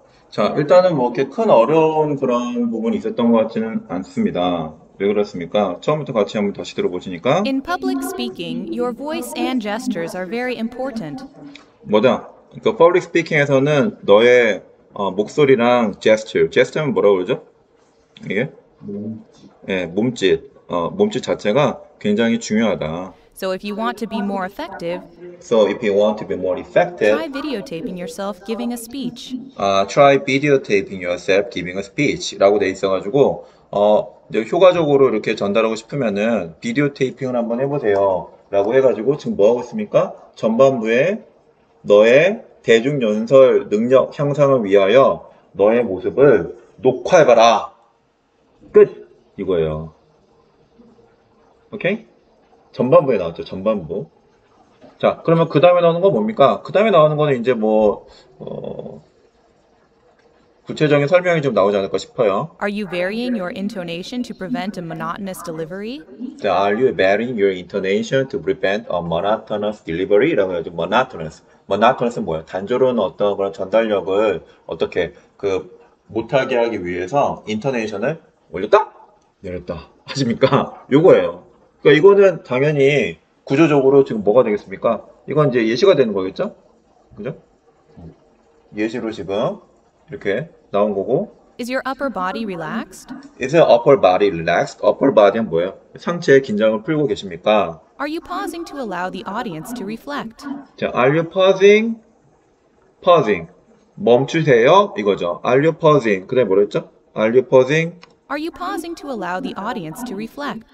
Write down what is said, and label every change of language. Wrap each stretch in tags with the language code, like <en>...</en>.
<ko>자, 일단은 뭐 이렇게 큰 어려운 그런 부분이 있었던 것 같지는 않습니다. 왜 그렇습니까? 처음부터 같이 한번 다시 들어보시니까.</ko> <en>In public speaking, your voice and gestures are very important.</en> <ko>뭐다? 그러니까 public speaking에서는 너의 목소리랑 gesture, gesture는 뭐라고 그러죠? 이게? 예, 몸짓. 몸짓 자체가 굉장히 중요하다.</ko> <en>So if you want to be more effective, so if you want to be more effective, try videotaping yourself giving a speech. Try videotaping yourself giving a speech</en> <ko>라고 돼 있어가지고 이제 효과적으로 이렇게 전달하고 싶으면은 비디오테이핑을 한번 해보세요라고 해가지고 지금 뭐 하고 있습니까? 전반부에 너의 대중 연설 능력 향상을 위하여 너의 모습을 녹화해봐라. 끝 이거예요. 오케이? 전반부에 나왔죠. 전반부. 자, 그러면 그 다음에 나오는 건 뭡니까? 그 다음에 나오는 거는 이제 뭐 구체적인 설명이 좀 나오지 않을까 싶어요.</ko> <en>Are you varying your intonation to prevent a monotonous delivery? Are you varying your intonation to prevent a monotonous delivery?</en> <ko>라고 해야죠. Monotonous. Monotonous는 뭐예요? 단조로운 어떤 그런 전달력을 어떻게 그 못하게 하기 위해서 intonation을 올렸다? 내렸다. 하십니까? 요거예요. 그러니까 이거는 당연히 구조적으로 지금 뭐가 되겠습니까? 이건 이제 예시가 되는 거겠죠? 그죠? 예시로 지금 이렇게 나온 거고.</ko> <en>Is your upper body relaxed? Is your upper body relaxed? Upper body는</en> <ko>뭐예요? 상체의 긴장을 풀고 계십니까?</ko> <en>Are you pausing to allow the audience to reflect?</en> <ko>자,</ko> <en>are you pausing? Pausing.</en> <ko>멈추세요? 이거죠.</ko> <en>Are you pausing?</en> <ko>그 다음에 뭐라 했죠?</ko> <en>Are you pausing? Are you pausing to allow the audience to reflect?</en>